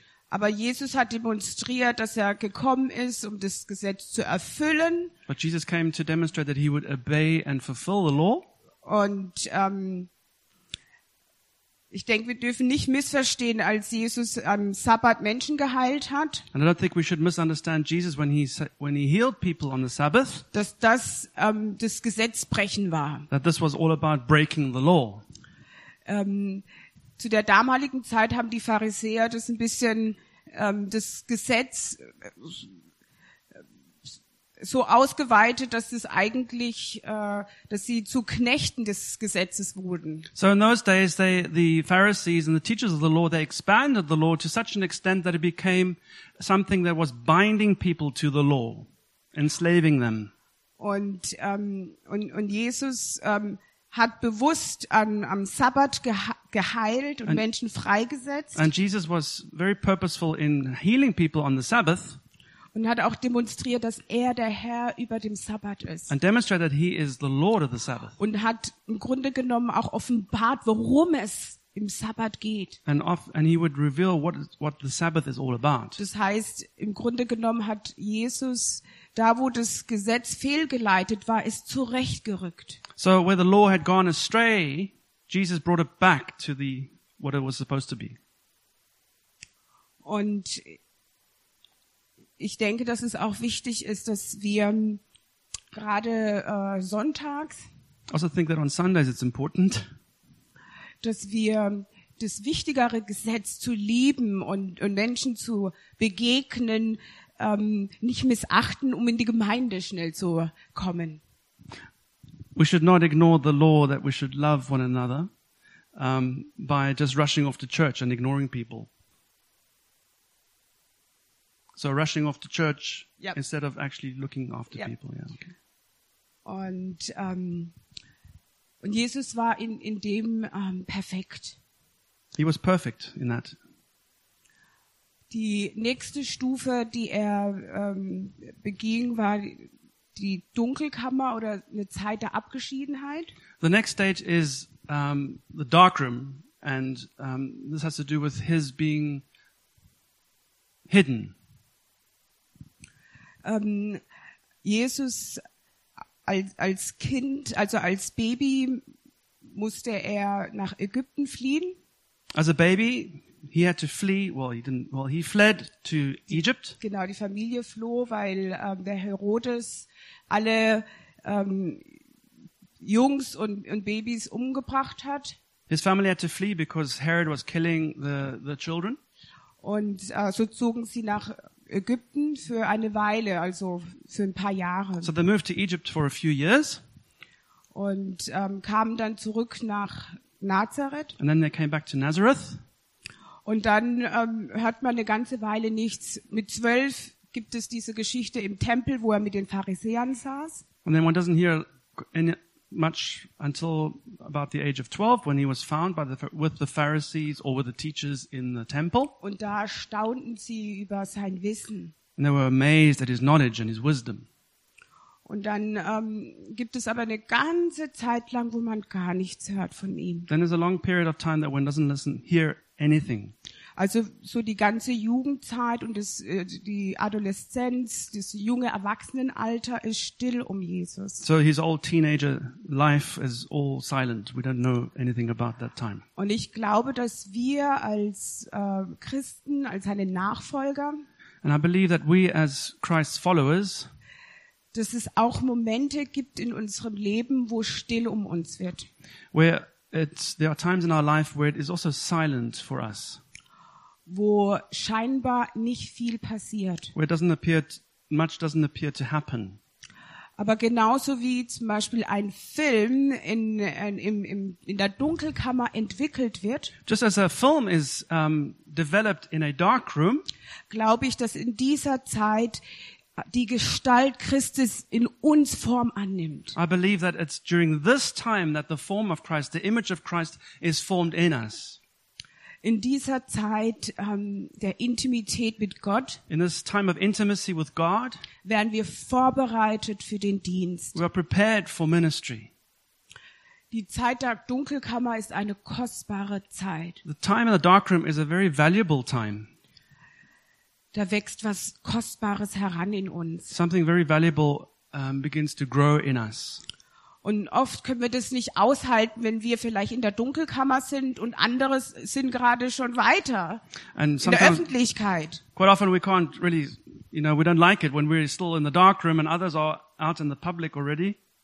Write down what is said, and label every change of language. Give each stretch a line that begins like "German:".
German: Aber Jesus hat demonstriert, dass er gekommen ist, um das Gesetz zu erfüllen.
English: But Jesus came to demonstrate that he would obey and fulfill the law.
German: Und ich denke, wir dürfen nicht missverstehen, als Jesus am Sabbat Menschen geheilt hat.
English: And I don't think we should misunderstand Jesus when he healed people on the Sabbath.
German: Dass das das Gesetzbrechen war.
English: That this was all about breaking the law.
German: Zu der damaligen Zeit haben die Pharisäer das ein bisschen das Gesetz so ausgeweitet, dass es eigentlich dass sie zu Knechten des Gesetzes wurden.
English: So in those days the Pharisees and the teachers of the law, they expanded the law to such an extent that it became something that was binding people to the law, enslaving them.
German: Und Jesus hat bewusst am Sabbat geheilt und Menschen freigesetzt.
English: And Jesus was very purposeful in healing people on the Sabbath.
German: Und hat auch demonstriert, dass er der Herr über dem Sabbat ist.
English: And demonstrated that he is the Lord of the Sabbath.
German: Und hat im Grunde genommen auch offenbart, worum es im Sabbat geht.
English: And he would reveal what the Sabbath is all about.
German: Das heißt, im Grunde genommen hat Jesus da, wo das Gesetz fehlgeleitet war, ist zurechtgerückt.
English: So where the law had gone astray, Jesus brought it back to the what it was supposed to be.
German: Und ich denke, dass es auch wichtig ist, dass wir gerade sonntags,
English: I also think that on Sundays it's important,
German: dass wir das wichtigere Gesetz zu lieben und Menschen zu begegnen, nicht missachten, um in die Gemeinde schnell zu kommen.
English: We should not ignore the law that we should love one another by just rushing off to church and ignoring people. So rushing off to church, yep, instead of actually looking after, yep, people. Yeah, okay.
German: Und Jesus war in dem perfekt.
English: He was perfect in that.
German: Die nächste Stufe, die er beging, war die Dunkelkammer oder eine Zeit der Abgeschiedenheit.
English: The next stage is the dark room, and this has to do with his being hidden.
German: Jesus als Kind, also als Baby, musste er nach Ägypten fliehen.
English: As a baby, he had to flee. He fled to Egypt.
German: Genau, die Familie floh, weil der Herodes alle Jungs und Babys umgebracht hat.
English: His family had to flee because Herod was killing the children.
German: Und so zogen sie nach Ägypten für eine Weile, also für ein paar Jahre.
English: So they moved to Egypt for a few years.
German: Und kamen dann zurück nach Nazareth.
English: And then they came back to Nazareth.
German: Und dann hört man eine ganze Weile nichts. Mit 12 gibt es diese Geschichte im Tempel, wo er mit den Pharisäern saß.
English: And then one doesn't hear any much until about the age of 12, when he was found with the Pharisees or with the teachers in the temple.
German: Und da staunten sie über sein Wissen.
English: And they were amazed at his knowledge and his wisdom.
German: Und dann gibt es aber eine ganze Zeit lang, wo man gar nichts hört von ihm.
English: Then there's a long period of time that one doesn't listen hear anything.
German: Also so die ganze Jugendzeit und das, die Adoleszenz, das junge Erwachsenenalter ist still um Jesus.
English: So his old teenager life is all silent. We don't know anything about that time.
German: Und ich glaube, dass wir als Christen, als seine Nachfolger,
English: And I believe that we as Christ's followers,
German: dass es auch Momente gibt in unserem Leben, wo still um uns wird.
English: Where it's, there are times in our life where it is also silent for us.
German: Wo scheinbar nicht viel passiert.
English: Where it doesn't appear, much doesn't appear to happen.
German: Aber genauso wie zum Beispiel ein Film in der Dunkelkammer entwickelt wird,
English: just as a film is developed in a dark room,
German: glaube ich, dass in dieser Zeit die Gestalt Christus in uns Form annimmt.
English: I believe that it's during this time that the form of Christ, the image of Christ, is formed in us.
German: In dieser Zeit der Intimität mit Gott,
English: in this time of intimacy with God,
German: werden wir vorbereitet für den Dienst.
English: We are prepared for ministry.
German: Die Zeit der Dunkelkammer ist eine kostbare Zeit.
English: The time in the dark room is a very valuable time.
German: Da wächst was Kostbares heran in uns.
English: Something very valuable begins to grow in us.
German: Und oft können wir das nicht aushalten, wenn wir vielleicht in der Dunkelkammer sind und andere sind gerade schon weiter in der Öffentlichkeit.
English: Quite often we can't really, you know, we don't like it when we're still in the dark room and others are out in the public already.